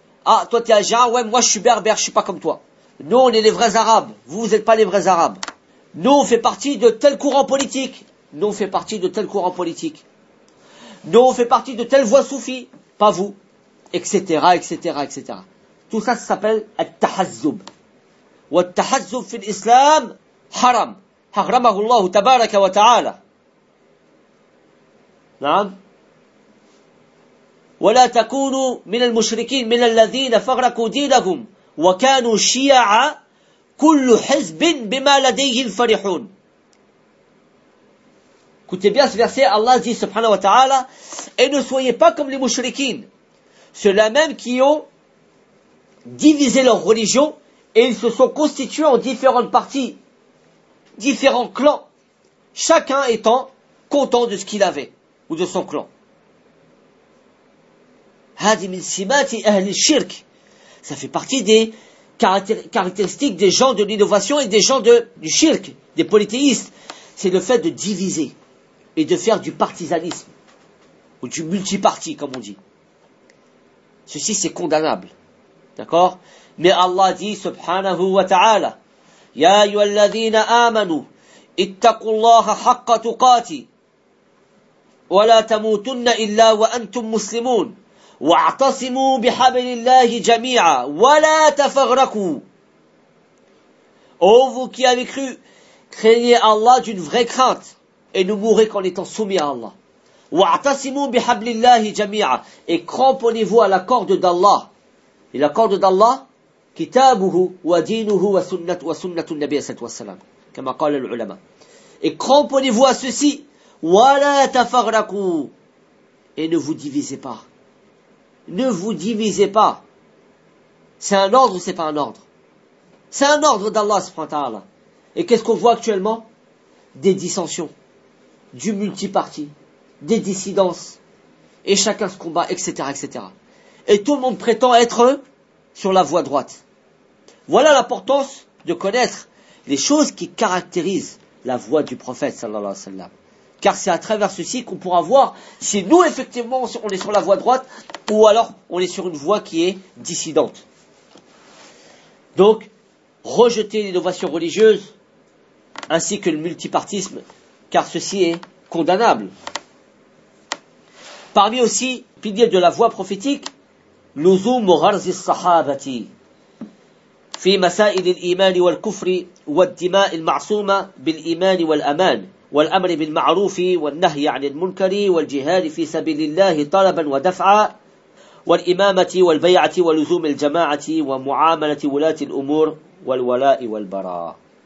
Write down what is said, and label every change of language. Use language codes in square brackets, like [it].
[fr] Ah, toi, tu es algérien, ouais, moi, je suis berbère, je suis pas comme toi. Nous, on est les vrais arabes, vous, vous êtes pas les vrais arabes. Nous, on fait partie de tel courant politique. Nous, on fait partie de tel courant politique. Nous, on fait partie de telle voie soufie, pas vous, etc., etc., etc. Tout ça, ça s'appelle « al-tahazzub ». [ar] « Al-tahazzub fil islam haram ». حرمه الله تبارك وتعالى نعم ولا تكونوا من المشركين من الذين فرقوا دينهم وكانوا شيعا كل حزب بما لديهم فرحون. [fr] Écoutez bien ce verset, Allah dit subhanahu wa ta'ala, et ne soyez pas comme les mushrikin, ceux-là même qui ont divisé leur religion et ils se sont constitués en différentes parties, différents clans, chacun étant content de ce qu'il avait ou de son clan. [ar] Hadi min simati ahli shirk, [fr] ça fait partie des caractéristiques des gens de l'innovation et des gens de, du shirk, des polythéistes. C'est le fait de diviser et de faire du partisanisme ou du multiparti, comme on dit. Ceci, c'est condamnable. D'accord? Mais Allah dit [ar] subhanahu wa ta'ala, يا أيها الذين آمنوا اتقوا الله حق تقاته ولا تموتن إلا وأنتم مسلمون واعتصموا بحبل الله جميعا ولا تفرقوا. [fr] Ô vous qui avez cru, craignez Allah d'une vraie crainte et ne mourrez qu'en étant soumis à Allah. [ar] واعتصموا بحبل الله جميعا, [fr] et cramponnez-vous à la corde d'Allah. Et la corde d'Allah, [ar] كتابه ودينه وسنة وسنة النبي صلى الله عليه وسلم كما قال العلماء. [fr] Et cramponnez-vous à ceci, [ar] ولا تفرقوا, [fr] et ne vous divisez pas. Ne vous divisez pas. C'est un ordre ou c'est pas un ordre? C'est un ordre d'Allah subhanahu wa ta'ala. Et qu'est-ce qu'on voit actuellement? Des dissensions, du multiparti, des dissidences, et chacun se combat, etc., etc. Et tout le monde prétend être sur la voie droite. Voilà l'importance de connaître les choses qui caractérisent la voie du prophète sallallahu alayhi wa sallam. Car c'est à travers ceci qu'on pourra voir si nous effectivement on est sur la voie droite ou alors on est sur une voie qui est dissidente. Donc, rejeter l'innovation religieuse ainsi que le multipartisme, car ceci est condamnable. Parmi aussi les piliers de la voie prophétique, [ar] لزوم غرز الصحابة في مسائل الإيمان والكفر والدماء المعصومة بالإيمان والأمان والأمر بالمعروف والنهي عن المنكر والجهاد في سبيل الله طلبا ودفعا والإمامة والبيعة ولزوم الجماعة ومعاملة ولاة الأمور والولاء والبراء.